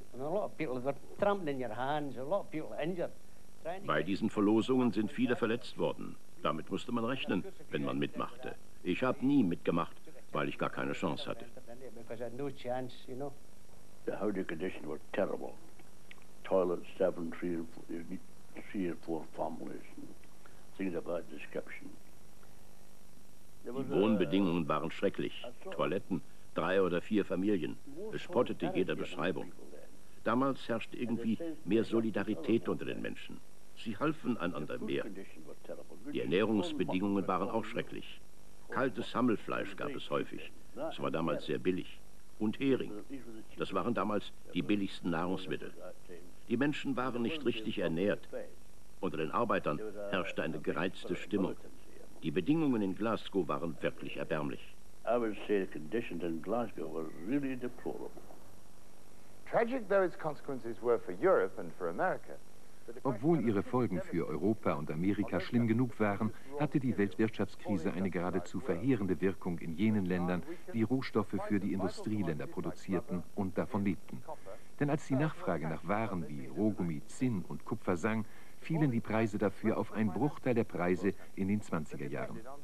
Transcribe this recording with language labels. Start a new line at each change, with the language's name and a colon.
English: And a lot of people, they're trampling in your hands, a lot of people injured.
German: Bei diesen Verlosungen sind viele verletzt worden. Damit musste man rechnen, wenn man mitmachte. Ich habe nie mitgemacht, weil ich gar keine Chance hatte.
English: Because I had no chance, you know. The housing conditions were terrible. Toilets, 3 or 4 families. Things of that description.
German: Die Wohnbedingungen waren schrecklich. Toiletten, 3 oder 4 Familien. Es spottete jeder Beschreibung. Damals herrschte irgendwie mehr Solidarität unter den Menschen. Sie halfen einander mehr. Die Ernährungsbedingungen waren auch schrecklich. Kaltes Hammelfleisch gab es häufig. Es war damals sehr billig. Und Hering. Das waren damals die billigsten Nahrungsmittel. Die Menschen waren nicht richtig ernährt. Unter den Arbeitern herrschte eine gereizte Stimmung. Die Bedingungen in Glasgow waren wirklich erbärmlich.
English: I would say the conditions in Glasgow were really deplorable. Tragic though its consequences were for Europe and for America.
German: Obwohl ihre Folgen für Europa und Amerika schlimm genug waren, hatte die Weltwirtschaftskrise eine geradezu verheerende Wirkung in jenen Ländern, die Rohstoffe für die Industrieländer produzierten und davon lebten. Denn als die Nachfrage nach Waren wie Rohgummi, Zinn und Kupfer sank, fielen die Preise dafür auf einen Bruchteil der Preise in den 20er Jahren.